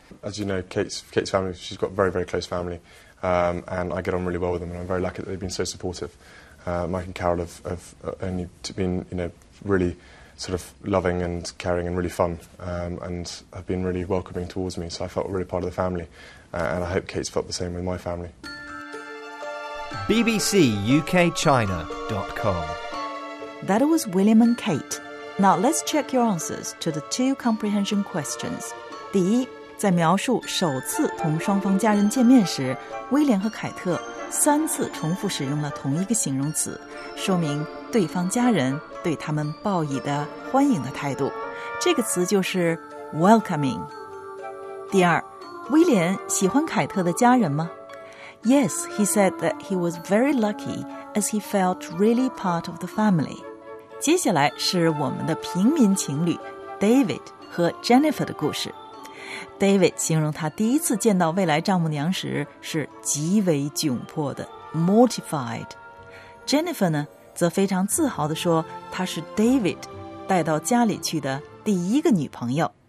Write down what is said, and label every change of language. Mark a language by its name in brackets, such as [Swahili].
[English] As you know, Kate's family, she's got a very, very close family、and I get on really well with them and I'm very lucky that they've been so supportive.、Mike and Carol have only been, you know, really sort of loving and caring and really fun、and have been really welcoming towards me. So I felt really part of the family. And I hope Kate's felt the same with my family. BBCUKChina.com. That was William and Kate. Now let's check your answers to the two comprehension questions. [Chinese] 第一，在描述首次同双方家人见面时，威廉和凯特三次重复使用了同一个形容词，说明对方家人对他们报以的欢迎的态度。这个词就是 welcoming. 第二，威廉喜欢凯特的家人吗？ [English] Yes, he said that he was very lucky as he felt really part of the family. [Chinese] 接下来是我们的平民情侣 David 和 Jennifer 的故事。 David 形容他第一次见到未来丈母娘时是极为窘迫的 mortified。 Jennifer 呢则非常自豪地说她是 David 带到家里去的第一个女朋友。